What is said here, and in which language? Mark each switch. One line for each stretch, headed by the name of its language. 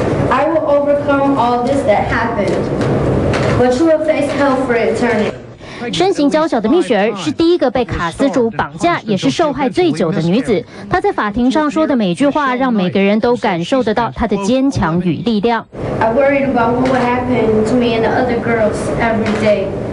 English: I will overcome all this that happened, but you will face hell for eternity.
Chinese: 身形娇小的蜜雪儿是第一个被卡斯楚绑架也是受害最久的女子，她在法庭上说的每句话让每个人都感受得到她的坚强与力量。
English: I worried about what would happen to me and the other girls every day.